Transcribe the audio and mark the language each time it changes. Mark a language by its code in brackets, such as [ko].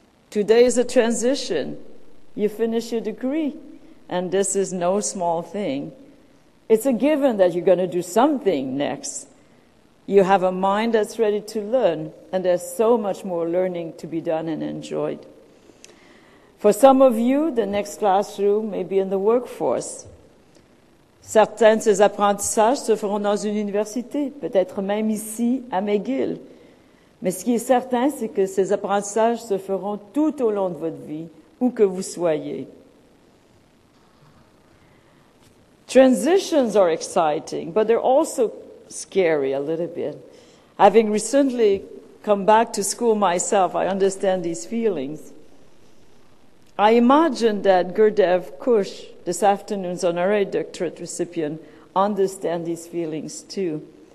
[en] Today is a transition. You finish your degree, and this is no small thing. It's a given that you're going to do something next. You have a mind that's ready to learn, and there's so much more learning to be done and enjoyed. For some of you, the next classroom may be in the workforce. [fr] Certains de ces apprentissages se feront dans une université, peut-être même ici, à McGill. Mais ce qui est certain, c'est que ces apprentissages se feront tout au long de votre vie, où que vous soyez. [en] Transitions are exciting, but they're also scary a little bit. Having recently come back to school myself, I understand these feelings. I imagine that Gurdev Kush, this afternoon's honorary doctorate recipient, understands these feelings too.